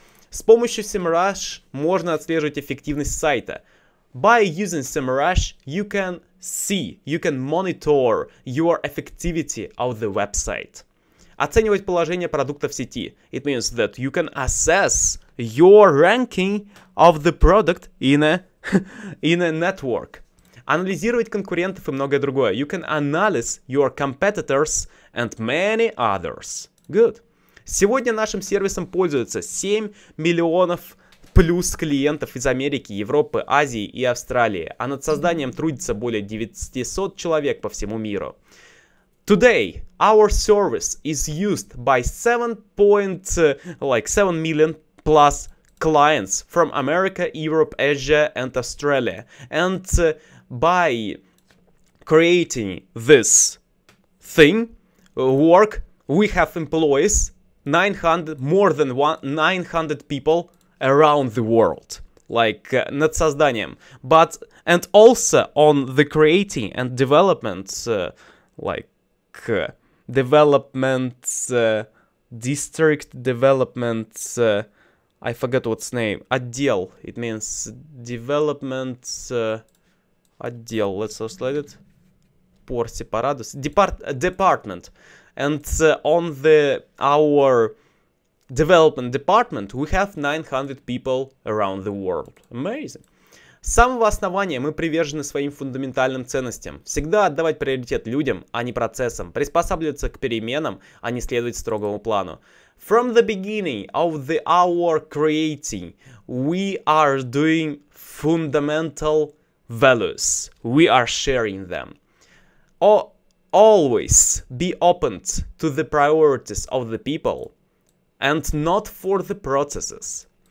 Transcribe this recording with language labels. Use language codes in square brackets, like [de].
[ru] С помощью Semrush можно отслеживать эффективность сайта. [en] By using Semrush, you can see, you can monitor your effectivity of the website. [ru] Оценивать положение продукта в сети. [en] It means that you can assess your ranking of the product in a in a network. [ru] Анализировать конкурентов и многое другое. [en] You can analyze your competitors and many others. Good. [ru] Сегодня нашим сервисом пользуются 7 миллионов плюс клиентов из Америки, Европы, Азии и Австралии. А над созданием трудится более 900 человек по всему миру. [en] Today, our service is used by 7 million plus clients from America, Europe, Asia and Australia. And by creating this thing, work, we have employees, 900, more than 900 people around the world. Like, [ru] над созданием. [en] But, and also on the creating and development, like, development district, development, I forget what's name, отдел. It means development, отдел, let's translate it. [es] Por separados. [en] Department. And on the our development department, we have 900 people around the world. Amazing. [ru] С самого основания мы привержены своим фундаментальным ценностям. Всегда отдавать приоритет людям, а не процессам. Приспосабливаться к переменам, а не следовать строгому плану. [en] From the beginning of the our creating, we are doing fundamental values. We are sharing them. Always be open to the priorities of the people and not for the processes.